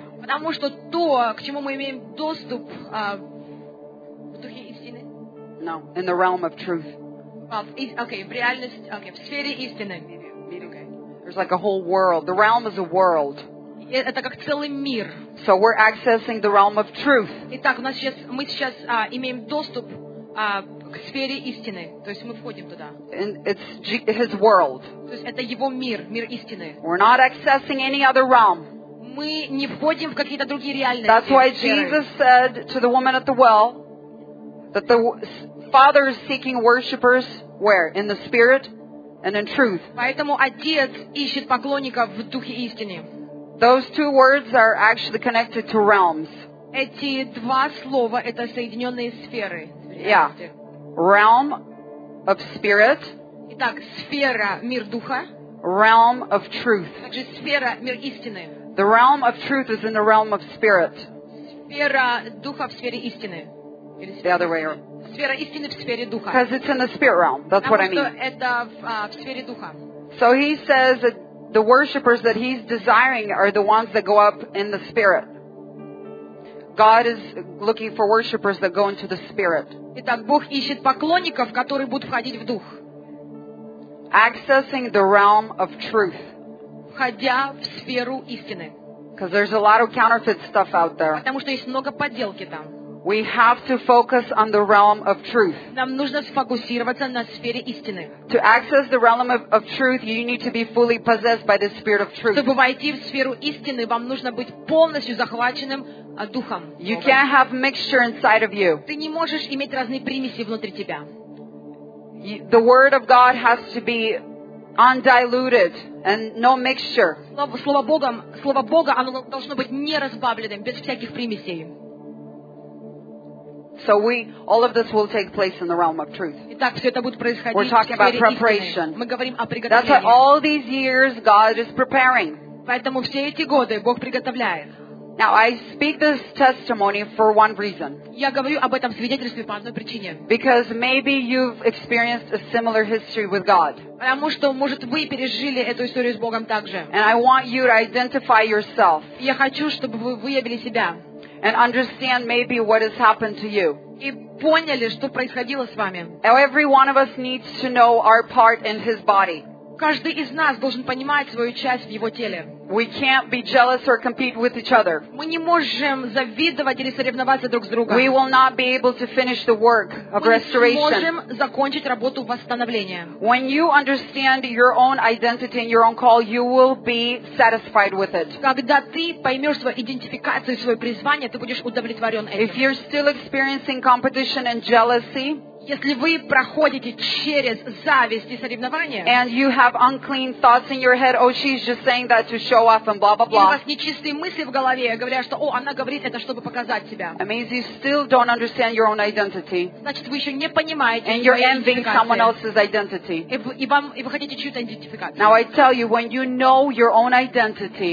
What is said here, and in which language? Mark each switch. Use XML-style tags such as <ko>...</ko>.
<ru>Потому что то, к чему мы имеем доступ в духе истины.</ru> <en>No, in the realm of truth.</en> <ru>Okay, в реальности, okay, в сфере истины.</ru> <en>There's like a whole world. The realm is a world.</en> <ru>Это как целый мир.</ru> <en>So we're accessing the realm of truth.</en> <ru>Итак, мы сейчас имеем доступ к сфере истины. То есть мы входим туда.</ru> <en>And it's his world.</en> <ru>То есть это его мир, мир истины.</ru> <en>We're not accessing any other realm.</en> <ru>Мы не входим в какие-то другие реальности.</ru> <en>That's why Jesus said to the woman at the well that the Father is seeking worshippers where? In the spirit and in truth.</en> <ru>Поэтому Отец ищет поклонников в духе истины.</ru> <en>Those two words are actually connected to realms.</en> <ru>Эти два слова это соединенные сферы.</ru> <en>Yeah. Realm of spirit.</en> <ru>Итак, сфера мир духа.</ru> <en>Realm of truth.</en> <ru>Также сфера мир истины.</ru> <en>The realm of truth is in the realm of spirit.</en> <ru>Сфера духа в сфере истины.</ru> <en>The other way around.</en> <ru>Сфера истины в сфере духа.</ru> <en>Because it's in the spirit realm. That's what I mean.</en> <ru>Это в сфере духа.</ru> <en>So he says that the worshippers that he's desiring are the ones that go up in the spirit. God is looking for worshippers that go into the spirit.</en> <ru>Итак, Бог ищет поклонников, которые будут входить в дух.</ru> <en>Accessing the realm of truth.</en> <ru>Входя в сферу истины.</ru> <en>Because there's a lot of counterfeit stuff out there.</en> <ru>Потому что есть много подделки там.</ru> <en>We have to focus on the realm of truth.</en> <ru>Нам нужно сфокусироваться на сфере истины.</ru> <en>To access the realm of truth, you need to be fully possessed by the spirit of truth.</en> <ru>Чтобы войти в сферу истины, вам нужно быть полностью захваченным духом.</ru> <en>You can't have mixture inside of you.</en> <ru>Ты не можешь иметь разные примеси внутри тебя.</ru> <en>The word of God has to be undiluted and no mixture.</en> <ru>Слово Бога, оно должно быть неразбавленным, без всяких примесей.</ru> <en>So we, all of this will take place in the realm of truth.</en> <ru>Итак, все это будет происходить.</ru> <en>We're talking about preparation.</en> <ru>Мы говорим о приготовлении.</ru> <en>That's why all these years God is preparing.</en> <ru>Поэтому все эти годы Бог приготовляет.</ru> <en>Now I speak this testimony for one reason.</en> <ru>Я говорю об этом свидетельстве по одной причине.</ru> <en>Because maybe you've experienced a similar history with God.</en> <ru>Потому что, может, вы пережили эту историю с Богом также.</ru> <en>And I want you to identify yourself.</en> <ru>Я хочу, чтобы вы выявили себя.</ru> <en>And understand maybe what has happened to you.</en> <ru>И поняли, что происходило с вами.</ru> <en>Every one of us needs to know our part in His body.</en> <ru>Каждый из нас должен понимать свою часть в Его теле.</ru> <en>We can't be jealous or compete with each other.</en> <ru>Мы не можем завидовать или соревноваться друг с другом.</ru> <en>We will not be able to finish the work of restoration.</en> <ru>Мы не сможем закончить работу восстановления.</ru> <en>When you understand your own identity and your own call, you will be satisfied with it.</en> <ru>Когда ты поймешь свою идентификацию и свое призвание, ты будешь удовлетворен этим.</ru> <en>If you're still experiencing competition and jealousy,</en> <ru>если вы проходите через зависть и соревнования,</ru> <en>and you have unclean thoughts in your head, oh, she's just saying that to show off and blah blah blah.</en> <ru>И у вас нечистые мысли в голове, говоря, что, о, она говорит это, чтобы показать себя.</ru> <en>That means you still don't understand your own identity.</en> <ru>Значит, вы еще не понимаете.</ru> <en>And you're envying someone else's identity.</en> <ru>И вы хотите чью-то идентификацию.</ru> <en>Now I tell you, when you know your own identity,</en>